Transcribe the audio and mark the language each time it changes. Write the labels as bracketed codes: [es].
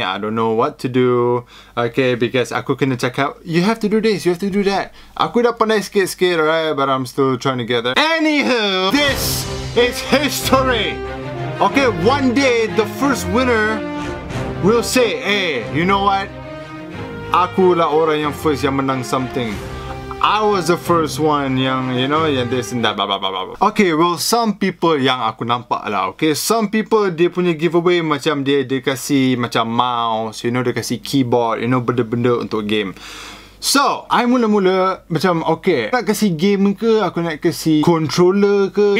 [en] I don't know what to do. Okay, because [ms] aku kena cakap, [en] you have to do this, you have to do that. [ms] Aku dah pandai sikit-sikit, [en] alright, but I'm still trying to get there. Anywho, this is history. Okay, one day, the first winner will say, hey, you know what? [ms] Aku lah orang yang first yang menang something. [en] I was the first one yang, you know, yang this and that, blah, blah, blah, blah. Okay, well, some people [ms] yang aku nampak lah, okay. Some people, dia punya giveaway macam dia kasi macam mouse, you know, dia kasi keyboard, you know, benda-benda untuk game. So, I mula-mula macam, okay, nak kasi game ke, aku nak kasi controller ke.